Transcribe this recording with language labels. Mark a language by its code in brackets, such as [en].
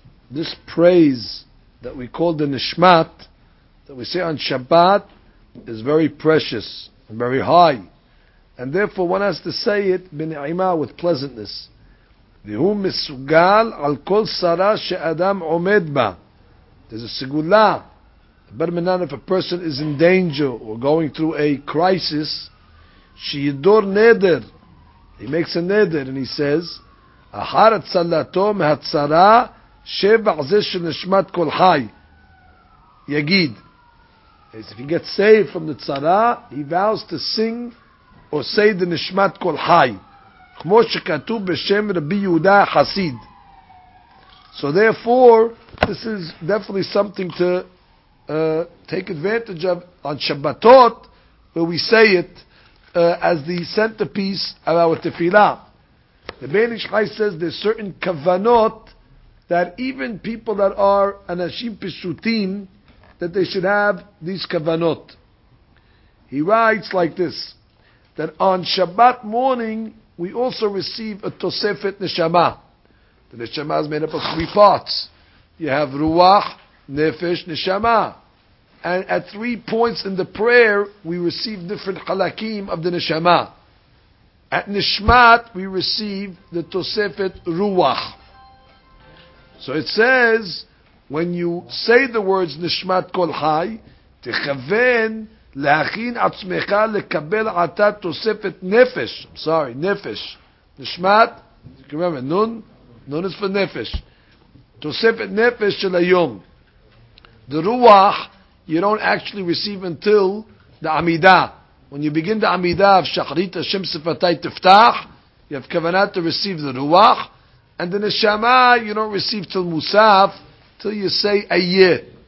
[en] This praise that we call the nishmat, that we say on Shabbat, is very precious, and very high. And therefore one has to say it b'ne'ima, with pleasantness. [he] והוא מסוגל על כל שרה שאדם עומד בה. [en] There's a segula. But if a person is in danger or going through a crisis, [he] שידור נדר. [en] He makes a [he] נדר [en] and he says, [he] אחר הצלתו מהצרה שבח זה שנשמת כל חי. יגיד. [en] As if he gets saved from the צרה, he vows to sing or say the נשמת כל חי. [he] כמו שכתוב בשם רבי יהודה החסיד. [en] So therefore, this is definitely something to take advantage of on Shabbatot, where we say it as the centerpiece of our tefillah. The Ben Ish Chai says there's certain kavanot that even people that are anashim pishutim, that they should have these kavanot. He writes like this, that on Shabbat morning, we also receive a Tosefet Neshama. The Neshama is made up of three parts. You have Ruach, Nefesh, Neshama. And at three points in the prayer, we receive different Chalakim of the Neshama. At Neshmat, we receive the Tosefet Ruach. So it says, when you say the words Neshmat Kol Chai, Techaven [he] להכין עצמך לקבל עתה תוספת נפש. [en] I'm sorry, נפש. נשמת, remember, נון? [he] נון is for נפש. תוספת נפש של היום. [en] The רוח, you don't actually receive until the עמידה. When you begin the עמידה of שחרית [he] השם שפתי תפתח, [en] you have כוונת to receive the רוח, and the נשמה, you don't receive till מוסף, till you say a year.